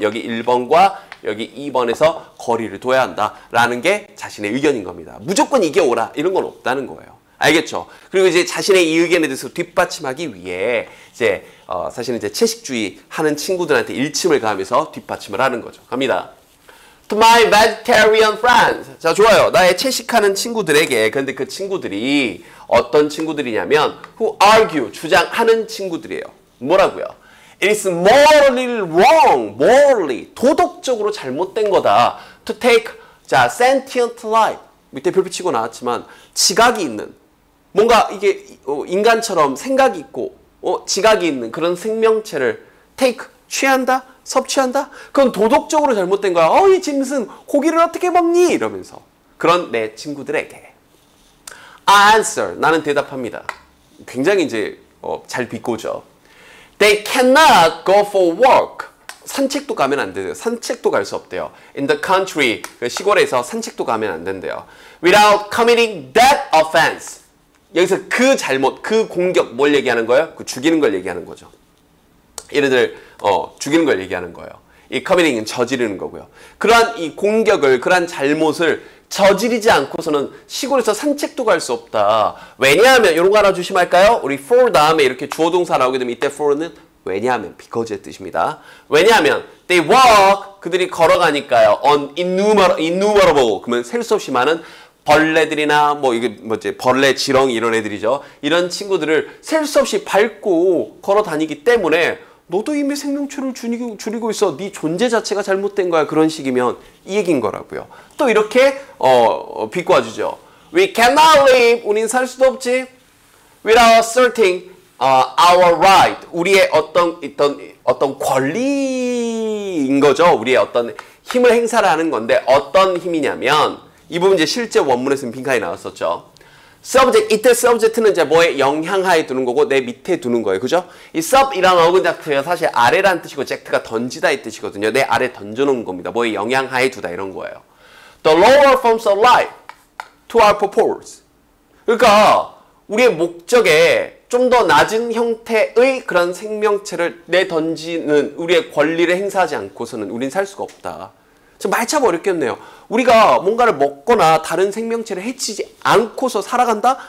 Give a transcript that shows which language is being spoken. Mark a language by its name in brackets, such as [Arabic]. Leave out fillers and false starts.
[Korean] 여기 1번과 여기 2번에서 거리를 둬야 한다. 라는 게 자신의 의견인 겁니다. 무조건 이겨오라. 이런 건 없다는 거예요. 알겠죠? 그리고 이제 자신의 이 의견에 대해서 뒷받침하기 위해 이제, 사실은 이제 채식주의 하는 친구들한테 일침을 가하면서 뒷받침을 하는 거죠. 갑니다. [English] To my vegetarian friends. [Korean] 자, 좋아요. 나의 채식하는 친구들에게. 근데 그 친구들이 어떤 친구들이냐면 [English] who argue, [Korean] 주장하는 친구들이에요. 뭐라고요? [English] It is morally wrong, morally, [Korean] 도덕적으로 잘못된 거다. [English] To take, 자, sentient life. [Korean] 밑에 별표 치고 나왔지만 지각이 있는, 뭔가 이게 인간처럼 생각이 있고 지각이 있는 그런 생명체를 take, 취한다? 섭취한다? 그건 도덕적으로 잘못된 거야. 이 짐승 고기를 어떻게 먹니? 이러면서 그런 내 친구들에게 [English] I answer. [Korean] 나는 대답합니다. 굉장히 이제 잘 비꼬죠. [English] They cannot go for walk. [Korean] 산책도 가면 안 돼요. 산책도 갈 수 없대요. [English] In the country, [Korean] 그 시골에서 산책도 가면 안 된대요. [English] Without committing that offense. [Korean] 여기서 그 잘못, 그 공격 뭘 얘기하는 거예요? 그 죽이는 걸 얘기하는 거죠. 얘네들 죽이는 걸 얘기하는 거예요. 이 커미팅은 저지르는 거고요. 그러한 이 공격을, 그러한 잘못을 저지르지 않고서는 시골에서 산책도 갈 수 없다. 왜냐하면, 이런 거 하나 주시면 할까요? 우리 for 다음에 이렇게 주어동사 나오게 되면 이때 for는 왜냐하면, because의 뜻입니다. 왜냐하면, [English] they walk, [Korean] 그들이 걸어가니까요. [English] on innumerable, [Korean] 그러면 셀 수 없이 많은 벌레들이나 뭐 이게 뭐지 벌레 지렁 이런 애들이죠. 이런 친구들을 셀 수 없이 밟고 걸어 다니기 때문에 너도 이미 생명체를 줄이고 있어. 네 존재 자체가 잘못된 거야. 그런 식이면 이 얘긴 거라고요. 또 이렇게 비꼬아 주죠. [English] We cannot live. [Korean] 우린 살 수도 없지. [English] Without asserting our right. [Korean] 우리의 어떤 권리인 거죠. 우리의 어떤 힘을 행사를 하는 건데 어떤 힘이냐면 이 부분 이제 실제 원문에서는 빈칸이 나왔었죠. subject, 이때 subject는 이제 뭐에 영향하에 두는 거고, 내 밑에 두는 거예요. 그죠? 이 sub이란 object가 사실 아래란 뜻이고, object가 던지다의 뜻이거든요. 내 아래 던져놓은 겁니다. 뭐에 영향하에 두다, 이런 거예요. [English] The lower forms of life to our purpose. [Korean] 그러니까, 우리의 목적에 좀 더 낮은 형태의 그런 생명체를 내 던지는 우리의 권리를 행사하지 않고서는 우린 살 수가 없다. 말 참 어렵겠네요. 우리가 뭔가를 먹거나 다른 생명체를 해치지 않고서 살아간다?